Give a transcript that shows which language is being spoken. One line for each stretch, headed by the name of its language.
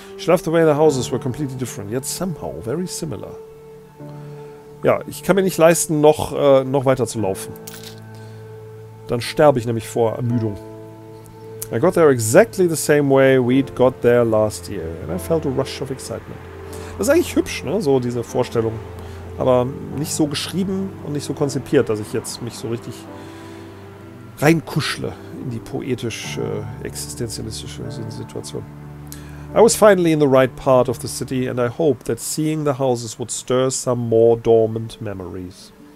English: She loved the way the houses were completely different, yet somehow very similar.
German: Ja, ich kann mir nicht leisten, noch weiter zu laufen. Dann sterbe ich nämlich vor Ermüdung.
English: I got there exactly the same way we'd got there last year. And I felt a rush of excitement.
German: Das ist eigentlich hübsch, ne? So diese Vorstellung. Aber nicht so geschrieben und nicht so konzipiert, dass ich jetzt mich so richtig reinkuschle in die poetisch-existenzialistische Situation.
English: I was finally in the right part of the city and I hoped that seeing the houses would stir some more dormant memories.